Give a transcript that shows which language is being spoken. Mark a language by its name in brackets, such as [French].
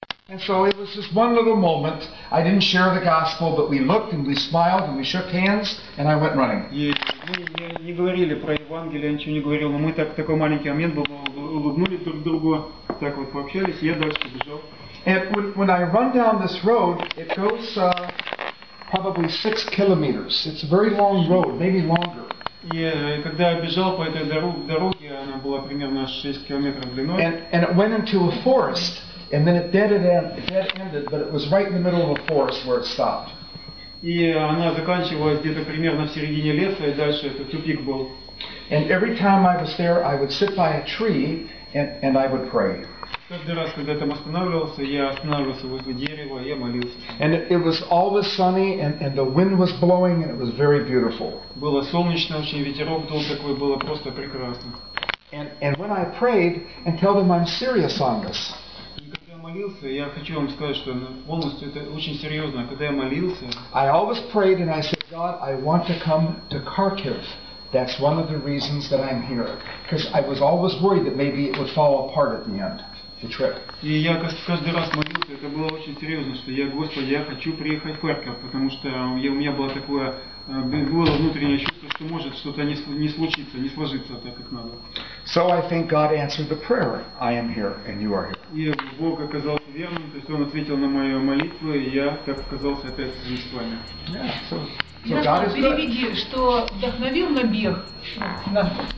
[English] And so it was just one little moment. I didn't share the gospel, but we looked and we smiled and we shook hands and I went running. [Russian] Не говорили про Евангелие, ничего не говорил, но мы так такой маленький момент был, улыбнулись друг другу, так вот пообщались, я дальше бежал. [English] And when I run down this road, it goes probably 6 kilometers. It's a very long road, maybe longer. [Russian] И когда я бежал по этой дороге, она была примерно 6 километров длиной. [English] And it went into a forest, and then it dead ended, but it was right in the middle of a forest where it stopped. [Russian] И она заканчивалась где-то примерно в середине леса, и дальше это тупик был. [English] And every time I was there, I would sit by a tree, and I would pray. [Russian] Каждый раз, когда я там останавливался, я останавливался возле дерева, я молился. [English] And it was always sunny, and the wind was blowing, and it was very beautiful. [Russian] Было солнечно очень, ветерок дул такой, было просто прекрасно. [English] And when I prayed, and tell them I'm serious on this. [Russian] И когда я молился, я хочу вам сказать, что полностью это очень серьезно. Когда я молился, [English] I always prayed, and I said, God, I want to come to Kharkiv. That's one of the reasons that I'm here, because I was always worried that maybe it would fall apart at the end. [Russian] И я каждый раз молился, это было очень серьезно, что я, Господи, я хочу приехать в Харьков, потому что у меня было такое, было внутреннее чувство, что может что-то не случиться, не сложиться так, как надо. [English] So I think God answered the prayer. I am here, and you are here. [Russian] И Бог оказался верным, то есть Он ответил на мою молитву, и я так оказался опять с вами. [English] Yeah, so God is good. [Russian] Переведи, что вдохновил на бег на